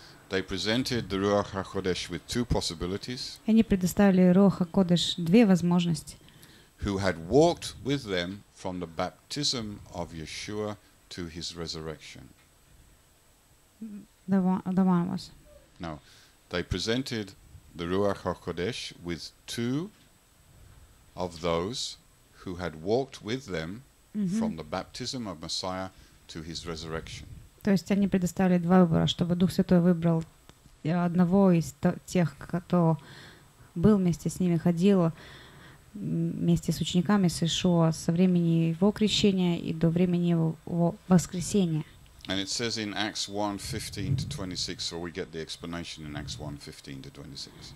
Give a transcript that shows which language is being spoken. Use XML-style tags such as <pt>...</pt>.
<en>They presented the Ruach HaKodesh with two possibilities.</en> <ru>Они предоставили Руах HaKodesh две возможности.</ru> <en>Who had walked with them from the baptism of Yeshua to his resurrection. The one was. No. They presented the Ruach HaKodesh with two of those who had walked with them from the baptism of Messiah to his resurrection.</en> <ru>То есть они предоставили два выбора, чтобы Дух Святой выбрал одного из тех, кто был вместе с ними, ходил вместе с учениками, с Иешуа, со времени его крещения и до времени его воскресения.</ru> <en>And it says in Acts 1:15-26, so we get the explanation in Acts 1:15-26.</en>